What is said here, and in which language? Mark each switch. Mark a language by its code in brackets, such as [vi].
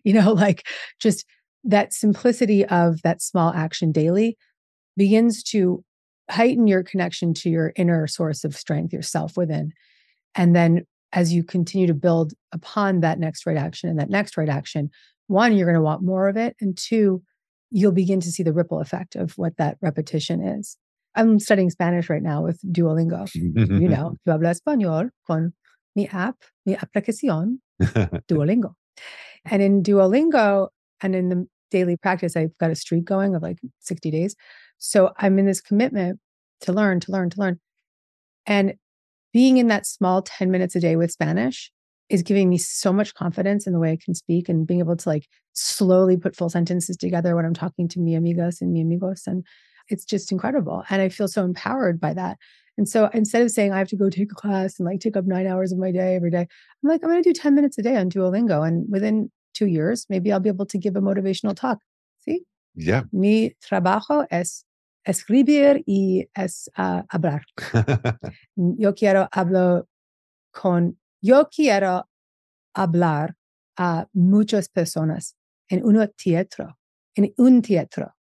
[en] You know, like just that simplicity of that small action daily begins to heighten your connection to your inner source of strength, yourself within. And then as you continue to build upon that next right action and that next right action, one, you're going to want more of it. And two, you'll begin to see the ripple effect of what that repetition is. I'm studying Spanish right now with Duolingo. You know, [es] yo hablo español con mi app, mi aplicación, Duolingo. [en] And in Duolingo and in the daily practice, I've got a streak going of like 60 days. So I'm in this commitment to learn. And being in that small 10 minutes a day with Spanish is giving me so much confidence in the way I can speak and being able to like slowly put full sentences together when I'm talking to [es] mi amigas [en] and [es] mi amigos. [en] And it's just incredible. And I feel so empowered by that. And so instead of saying I have to go take a class and like take up 9 hours of my day every day, I'm like, I'm going to do 10 minutes a day on Duolingo. And within 2 years, maybe I'll be able to give a motivational talk. See? Yeah. [es] Mi trabajo es escribir y es hablar. Yo quiero hablo con... Yo quiero hablar a muchas personas en uno teatro, en un teatro.